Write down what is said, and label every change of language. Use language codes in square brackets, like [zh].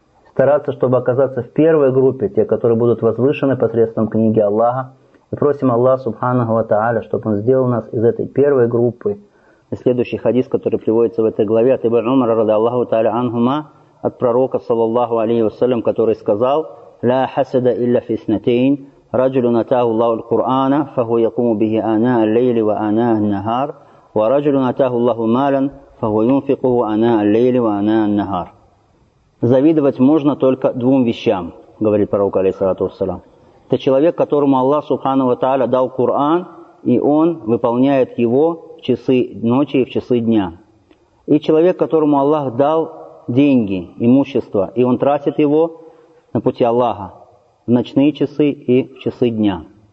[ru] Стараться, чтобы оказаться в первой группе, те, которые будут возвышены посредством книги Аллаха. И просим Аллаха Субханаху ва Тааля, чтобы Он сделал нас из этой первой группы. И следующий хадис, который приводится в этой главе, от Ибн Умара ради Аллаху Тааля анхума, от пророка, саллаллаху алейхи вассалям, который сказал: [ar] «Ла хасада илля фиснатейн». رجل نتاه الله القرآن فهو يقوم به آناء الليل وآناء النهار ورجل نتاه الله مالا فهو ينفقه آناء الليل وآناء النهار. [ru] Завидовать можно только двум вещам, говорит пророк алейхиссалату вассалям. Это человек, которому Аллах Субхану ва Тааля дал Коран, и он выполняет его в часы ночи и в часы дня. И человек, которому Аллах дал деньги, имущество, и он тратит его на пути Аллаха в ночные часы и в часы дня.